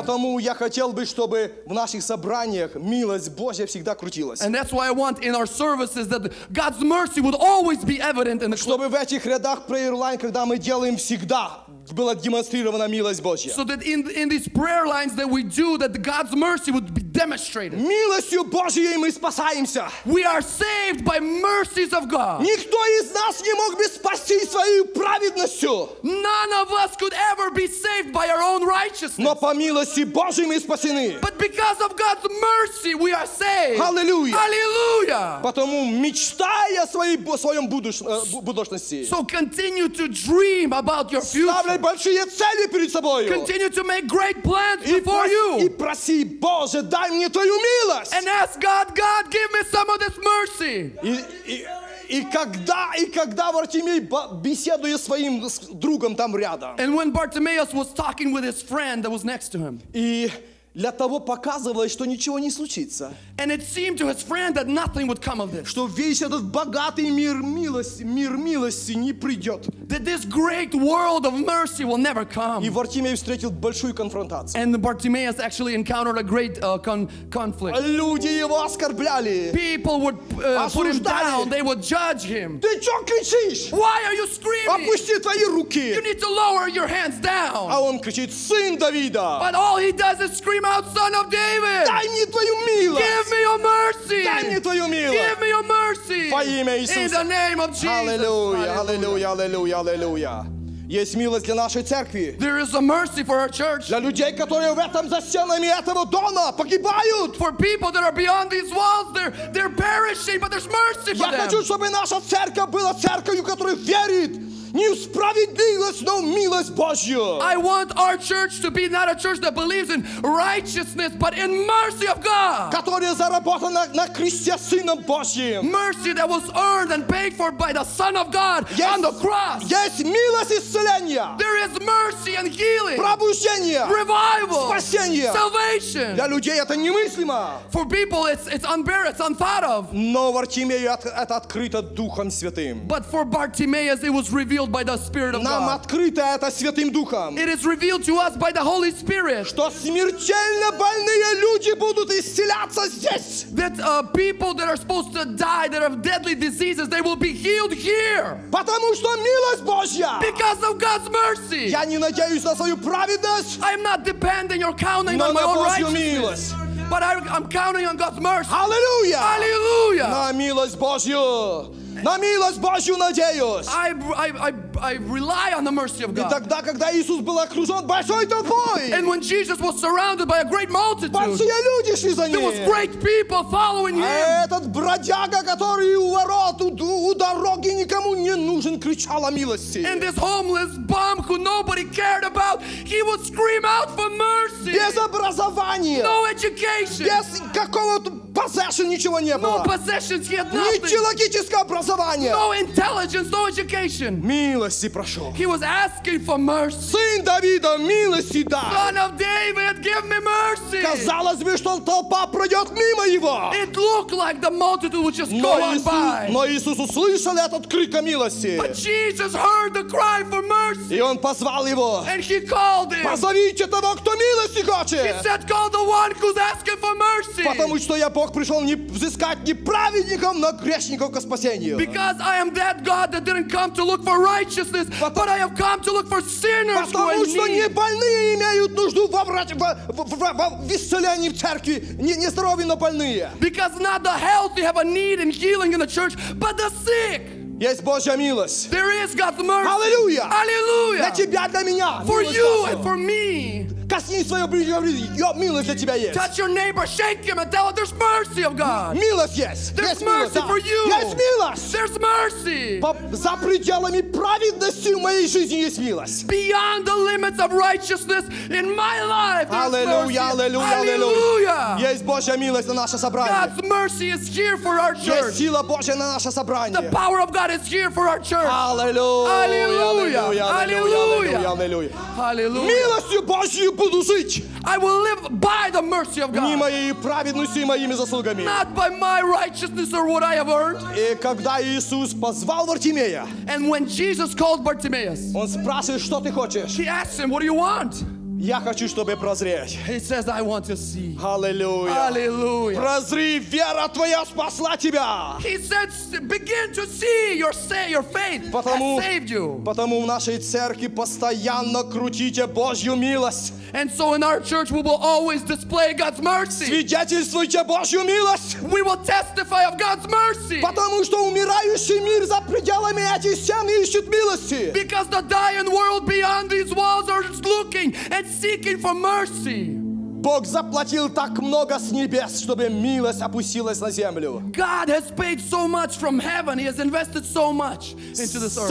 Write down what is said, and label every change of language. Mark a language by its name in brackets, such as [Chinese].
[Russian] Потому я хотел бы, чтобы в наших собраниях милость Божья всегда крутилась. [English] And that's why I want in our services that God's mercy would always be evident in the. [Russian] Чтобы в этих рядах [English] prayer line, [Russian] когда мы делаем всегда. Была демонстрирована милость Божья. [English] So that in these prayer lines that we do, that God's mercy would be demonstrated. [Russian] Милостью Божьей мы спасаемся. [English] We are saved by mercies of God. [Russian] Никто из нас не мог бы спасти свою праведностью. [English] None of us could ever be saved by our own righteousness. [Russian] Но по милости Божьей мы спасены. [English] But because of God's mercy, we are saved. Hallelujah. Hallelujah. [Russian] Потому мечтая своем будущности. [English] So continue to dream about your future. [Russian] Большие цели перед собою. [English] Continue to make great plans before you. [Russian] И проси Боже, дай мне твою милость. [English] And ask God, God, give me some of this mercy. [Russian] И когда Бартимей беседует со своим другом там рядом. [English] And when Bartimaeus was talking with his friend that was next to him. [Russian] И для того показывалось, что ничего не случится. [English] And it seemed to his friend that nothing would come of this. [Russian] Что весь этот богатый мир милости не придет. [English] That this great world of mercy will never come. [Russian] И Бартимей встретил большую конфронтацию. [English] And Bartimaeus actually encountered a great conflict. [Russian] Люди его оскорбляли. [English] People would put him down. They would judge him. [Russian] Ты чё кричишь? [English] Why are you screaming? [Russian] Опусти твои руки. [English] You need to lower your hands down. [Russian] А он кричит: Сын Давида. [English] But all he does is scream out, Son of David! [Russian] Дай мне твою милость! [English] Give me your mercy! [Russian] Дай мне твою милость! [English] Give me your mercy! [Russian] Во имя Иисуса! [English] In the name of Jesus! Hallelujah! Hallelujah! Hallelujah! Hallelujah! [Russian] Есть милость для нашей церкви. [English] There is a mercy for our church. [Russian] Для людей, которые в этом за стенами этого дома погибают. [English] For people that are beyond these walls, they're perishing, but there's mercy for them. [Russian] Я хочу, чтобы наша церковь была церковью, которая верит. Не в справедливость, но в милость Божью. [English] I want our church to be not a church that believes in righteousness, but in mercy of God. [Russian] Которая заработана на кресте Сыном Божьим. [English] Mercy that was earned and paid for by the Son of God on the cross. [Russian] Есть милость исцеления. [English] There is mercy and healing. [Russian] Пробуждение. [English] Revival. [Russian] Спасение. [English] Salvation. [Russian] Для людей это немыслимо. [English] For people it's unbearable, it's unthought of. [Russian] Но Бартимею это открыто Духом Святым. [English] But for Bartimaeus it was revealed by the Spirit of God. [Russian] Нам открыто это Святым Духом. [English] It is revealed to us by the Holy Spirit. [Russian] Что смертельно больные люди будут исцеляться здесь. [English] That people that are supposed to die, that have deadly diseases, they will be healed here. [Russian] Потому что милость Божья. [English] Because of God's mercy. [Russian] Я не надеюсь на свою праведность. [English] I am not depending or counting on my own righteousness. But I'm counting on God's mercy. Hallelujah. Hallelujah. [Russian] На милость Божью. На милость Божью надеюсь. [English] I rely on the mercy of God. [Russian] И тогда, когда Иисус был окружен большой толпой. [English] And when Jesus was surrounded by a great multitude. [Russian] Большие люди шли за ним. [English] There was great people following him. [Russian] А этот бродяга, который у ворот, у дороги никому не нужен, кричал о милости. [English] And this homeless bum who nobody cared about, he would scream out for mercy. [Russian] Без образования. [English] No education. [Russian] Без какого-то possession ничего не было. [English] No possessions, he had nothing. [Russian] Нечеловеческое образование. [English] No intelligence, no education. [Russian] Милости прошу. [English] He was asking for mercy. [Russian] Сын Давида, милости дай. [English] Son of David, give me mercy. [Russian] Казалось бы, что толпа пройдет мимо его. [English] It looked like the multitude would just go on by. [Russian] Но Иисус услышал этот крик о милости. [English] But Jesus heard the cry for mercy. [Russian] И он позвал его. [English] And he called him. [Russian] Позовите того, кто милости хочет. [English] He said, call the one who's asking for mercy. [Russian] Потому что я Бог пришел не взыскать не праведников, но грешников ко спасению. [English] Because I am that God that didn't come to look for righteousness, but I have come to look for sinners who are in need. [Russian] Потому что не больные имеют нужду в исцелении в церкви, не здоровые, но больные. [English] Because not the healthy have a need in healing in the church, but the sick. [Russian] Есть Божья милость. [English] There is God's mercy. [Russian] Аллилуйя. Аллилуйя. Для тебя, для меня. [English] For you and for me. [Russian] Коснись своего ближнего, говорит, милость для тебя есть. [English] Touch your neighbor, shake him and tell him there's mercy of God. [Russian] Милость есть. [English] There's mercy for you. [Russian] Есть милость. [English] There's mercy. [Russian] За пределами праведности в моей жизни есть милость. [English] Beyond the limits of righteousness in my life, there's mercy. [Russian] Аллилуйя, аллилуйя. Есть Божья милость на наше собрание. [English] God's mercy is here for our church. [Russian] Есть сила Божья на наше собрание. [English] The power of God is here for our church. [Russian] Аллилуйя, аллилуйя, аллилуйя, аллилуйя, аллилуйя. Милостью Божьей буду жить. [English] I will live by the mercy of God. [Russian] Не моей праведностью и моими заслугами. [English] Not by my righteousness or what I have earned. [Russian] И когда Иисус позвал Бартимея. [English] And when Jesus called Bartimaeus. [Russian] Он спрашивает, что ты хочешь? [English] He asked him, what do you want? [Russian] Я хочу, чтобы прозреть. [English] He says, I want to see. Hallelujah. Hallelujah. [Russian] Прозри, вера твоя спасла тебя. [English] He said, begin to see your faith [Russian] потому, [English] has saved you. [Russian] Потому в нашей церкви постоянно крутите Божью милость. [English] And so in our church we will always display God's mercy. [Russian] Свидетельствуйте Божью милость. [English] We will testify of God's mercy. [Russian] Потому что умирающий мир за пределами этих стен ищет милости. [English] Because the dying world beyond these walls are looking and seeking for mercy. [Russian] Бог заплатил так много с небес, чтобы милость опустилась на землю. [English] God has paid so much from heaven. He has invested so much into this earth.